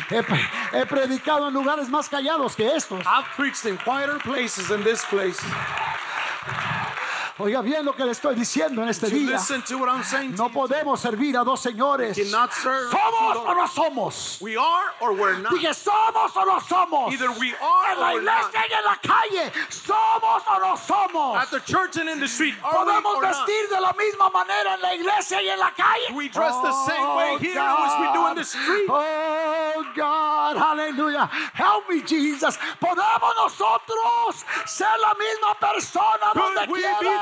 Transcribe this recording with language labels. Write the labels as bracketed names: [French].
[Spanish] He predicado en lugares más callados que estos. [English] I've preached in quieter places than this place. [Spanish] Oiga bien lo que le estoy diciendo en este día. [English] Listen to what I'm saying. [Spanish] No podemos servir a dos señores. [English] We cannot serve. [Spanish] Somos o no somos. [English] We are or we're not. [Spanish] Dije somos o no somos. [English] Either we are or we're not. [Spanish] En la iglesia y en la calle, somos o no somos. [English] At the church and in the street, are we or not? [Spanish] Podemos vestir de la misma manera en la iglesia y en la calle. [English] We dress the same way here as we do in the street. Oh God, hallelujah. Help me, Jesus. [Spanish] Podemos nosotros ser la misma persona donde quiera.